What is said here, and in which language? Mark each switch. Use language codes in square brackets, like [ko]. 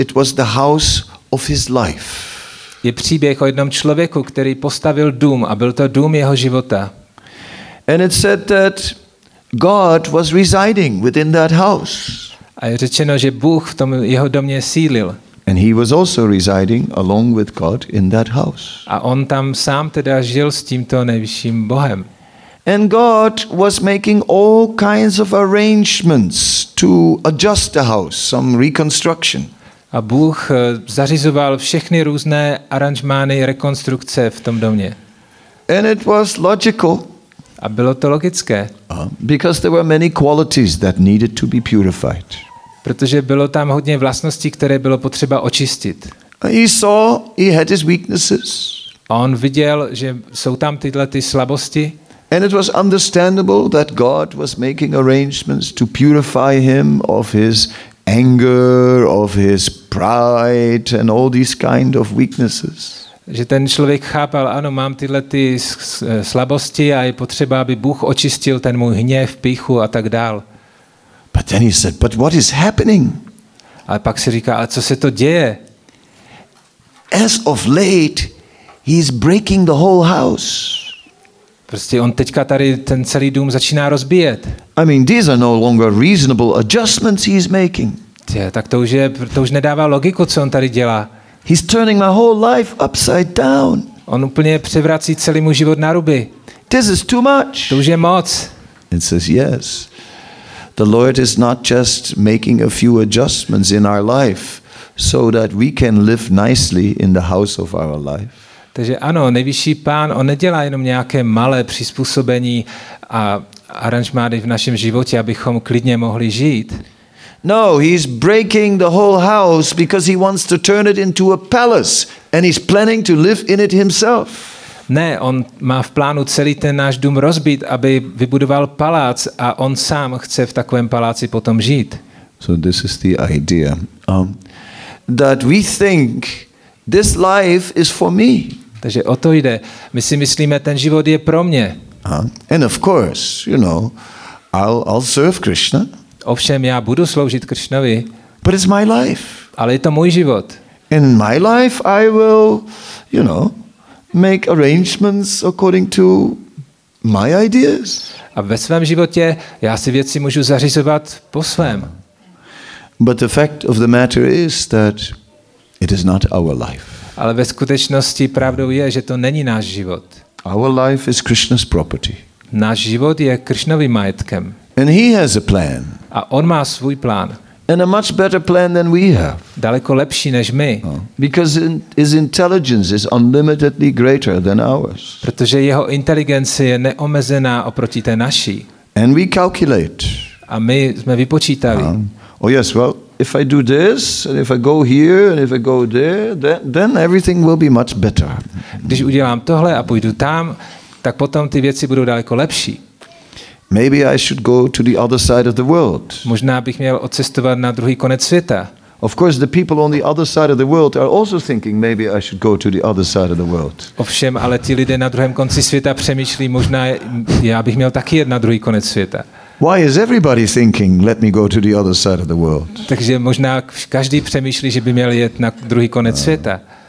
[en] It was the house of his life. [cs] Je příběh o jednom člověku, který postavil dům a byl to dům jeho života. [en] And it said that God was residing within that house. [cs] A je řečeno, že Bůh v tom jeho domě sídlil. [en] And he was also residing along with God in that house. [cs] A on tam sám teda žil s tímto nejvyšším Bohem. [en] And God was making all kinds of arrangements to adjust the house, some reconstruction. [cs] A Bůh zařizoval všechny různé aranžmány rekonstrukce v tom domě. [en] And it was logical. [cs] A bylo to logické. [en] Because there were many qualities that needed to be purified. [cs] Protože bylo tam hodně vlastností, které bylo potřeba očistit. [en] He had his weaknesses. [cs] On viděl, že jsou tam tyhle ty slabosti. [en] And it was understandable that God was making arrangements to purify him of his anger, of his pride and all these kind of weaknesses. [cs] Že ten člověk chápal, ano, mám tyhle ty slabosti a je potřeba, aby Bůh očistil ten můj hněv, pýchu a tak dál. [en] But then he said, but what is happening? [cs] Ale pak si říká, ale co se to děje? [en] As of late, he's breaking the whole house. [cs] Prostě on teďka tady ten celý dům začíná rozbíjet. [en] I mean, these are no longer reasonable adjustments he's making. [cs] Tak to už nedává logiku, co on tady dělá. [en] He's turning my whole life upside down. [cs] On úplně převrací celý můj život na ruby. [en] This is too much. [cs] To už je moc. [en] And says, yes. The Lord is not just making a few adjustments in our life so that we can live nicely in the house of our life. [cs] Takže ano, nejvyšší pán, on nedělá jenom nějaké malé přizpůsobení a aranžmády v našem životě, abychom klidně mohli žít. [en] No, he's breaking the whole house because he wants to turn it into a palace and he's planning to live in it himself. [cs] Ne, on má v plánu celý ten náš dům rozbít, aby vybudoval palác a on sám chce v takovém paláci potom žít. [en] So this is the idea. That we think this life is for me. [cs] Takže o to jde. My si myslíme, ten život je pro mě. [en] And of course, you know, I'll serve Krishna. [cs] Ovšem, já budu sloužit Krishnovi. [en] But it's my life. [cs] Ale je to můj život. [en] In my life I will, you know, make arrangements according to my ideas. [cs] A ve svém životě já si věci můžu zařizovat po svém. [en] But the fact of the matter is that it is not our life. [cs] Ale ve skutečnosti pravdou je, že to není náš život. [en] Our life is Krishna's property. [cs] Náš život je Krišnovým majetkem. [en] And he has a plan. [cs] A on má svůj plán. [en] And a much better plan than we have. [cs] Daleko lepší než my. [en] Because his intelligence is unlimitedly greater than ours. [cs] Protože jeho inteligence je neomezená oproti té naší. [en] And we calculate. [cs] A my jsme vypočítali. [en] Oh yes, well, if I do this and if I go here and if I go there, then everything will be much better. [cs] Když udělám tohle a půjdu tam, tak potom ty věci budou daleko lepší. [en] Maybe I should go to the other side of the world. [cs] Možná bych měl odcestovat na druhý konec světa. [en] Of course the people on the other side of the world are also thinking maybe I should go to the other side of the world. [cs] Ovšem, ale ti lidé na druhém konci světa přemýšlí, možná já bych měl taky jet na druhý konec světa. [en] Why is everybody thinking let me go to the other side of the world? [cs] Takže možná každý přemýšlí, že by měl jet na druhý konec světa.